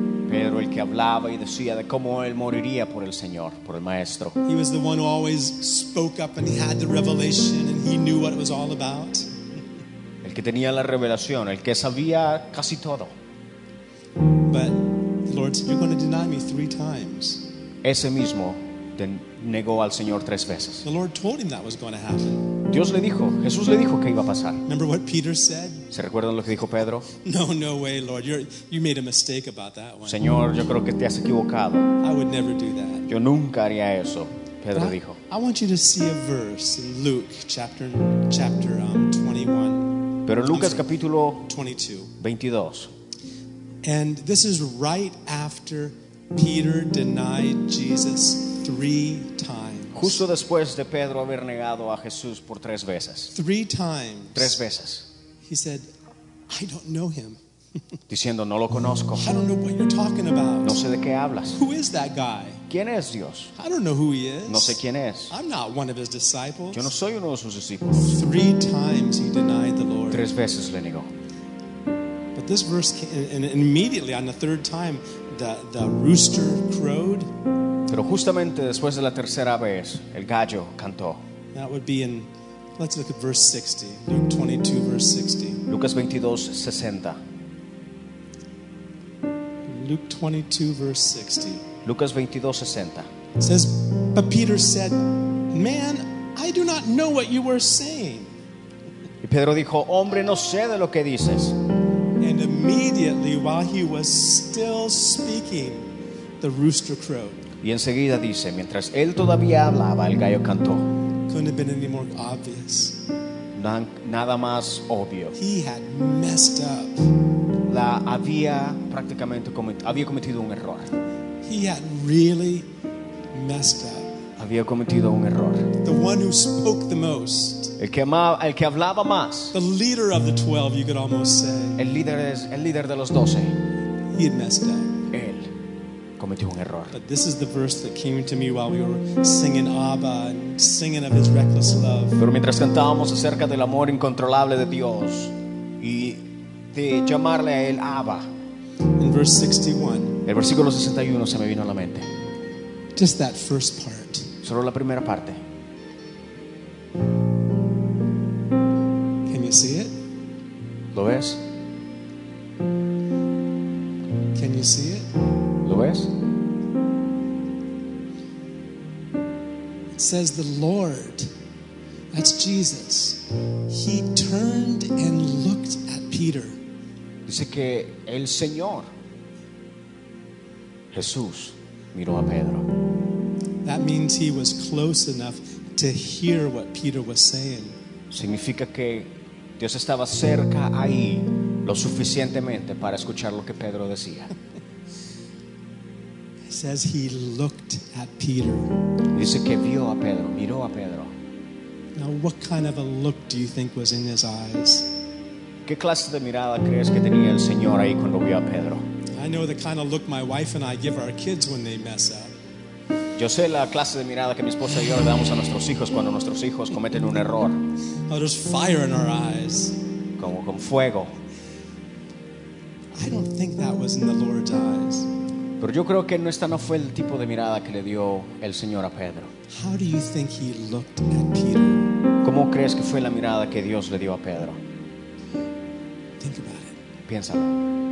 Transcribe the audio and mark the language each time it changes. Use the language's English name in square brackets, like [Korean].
[Spanish] Pedro el que hablaba y decía de cómo él moriría por el Señor, por el Maestro. [English] He was the one who always spoke up and he had the revelation and he knew what it was all about. [Spanish] El que tenía la revelación, el que sabía casi todo. [English] But the Lord said, you're going to deny me 3 times. [Spanish] Ese mismo negó al Señor 3 veces. [English] The Lord told him that was going to happen. [Spanish] Dios le dijo, Jesús le dijo que iba a pasar. [English] Remember what Peter said? [Spanish] ¿Se recuerdan lo que dijo Pedro? [English] No, no way, Lord. You made a mistake about that one. [Spanish] Señor, yo creo que te has equivocado. [English] I would never do that. [Spanish] Yo nunca haría eso, Pedro dijo. [English] I want you to see a verse in Luke chapter 21. [Spanish] Pero Lucas capítulo 22. 22. [English] And this is right after Peter denied Jesus 3 times. [Spanish] Justo después de Pedro haber negado a Jesús por 3 veces. [English] 3 times. [Spanish] 3 veces. [English] He said, I don't know him. [Spanish] Diciendo, no lo conozco. [English] I don't know what you're talking about. [Spanish] No sé de qué hablas. [English] Who is that guy? [Spanish] ¿Quién es Dios? [English] I don't know who he is. [Spanish] No sé quién es. [English] I'm not one of his disciples. [Spanish] Yo no soy uno de sus discípulos. [English] 3 times he denied the Lord. [Spanish] 3 veces le negó. [English] But this verse came, and immediately on the 3rd time, the rooster crowed. [Spanish] Pero justamente después de la tercera vez, el gallo cantó. [English] That would be in, let's look at verse 60, Luke 22, verse 60. [Spanish] Lucas 22, 60. [English] Luke 22, verse 60. [Spanish] Lucas 22, 60. [English] It says, but Peter said, man, I do not know what you were saying. [Spanish] Y Pedro dijo, hombre, no sé de lo que dices. [English] And immediately while he was still speaking, the rooster crowed. [Spanish] Y enseguida dice, mientras él todavía hablaba, el gallo cantó. [English] couldn't have been any more obvious. [Spanish] Nada más obvio. [English] He had messed up. [Spanish] La había prácticamente había cometido un error. [English] He had really messed up. [Spanish] Había cometido un error. [English] The one who spoke the most. [Spanish] El que hablaba más. [English] The leader of the 12, you could almost say. [Spanish] El líder de los 12. [English] He had messed up. [Spanish] Él cometió un error. [English] But this is the verse that came to me while we were singing Abba and singing of his reckless love. [Spanish] Pero mientras cantábamos acerca del amor incontrolable de Dios y de llamarle a él Abba. [English] In verse 61. [Spanish] El versículo 61 se me vino a la mente. [English] Just that first part. [Spanish] Solo la primera parte. [English] Can you see it? [Spanish] ¿Lo ves? [English] Can you see it? [Spanish] ¿Lo ves? [English] It says the Lord, that's Jesus, he turned and looked at Peter. [Spanish] Dice que el Señor Jesús miró a Pedro. [English] That means he was close enough to hear what Peter was saying. [Spanish] Significa que Dios estaba cerca ahí lo suficientemente para escuchar lo que Pedro decía. [English] It says he looked at Peter. [Spanish] Dice que vio a Pedro, miró a Pedro. [English] Now, what kind of a look do you think was in his eyes? [Spanish] ¿Qué clase de mirada crees que tenía el Señor ahí cuando vio a Pedro? [English] I know the kind of look my wife and I give our kids when they mess up. [Spanish] Yo sé la clase de mirada que mi esposa y yo le damos a nuestros hijos cuando nuestros hijos cometen un error. [English] Oh, there's fire in our eyes. [Spanish] Como con fuego. [English] I don't think that was in the Lord's eyes. [Spanish] Pero yo creo que esta no fue el tipo de mirada que le dio el Señor a Pedro. [English] How do you think he looked at Peter? [Spanish] ¿Cómo crees que fue la mirada que Dios le dio a Pedro? [English] Think about it. [Spanish] Piénsalo.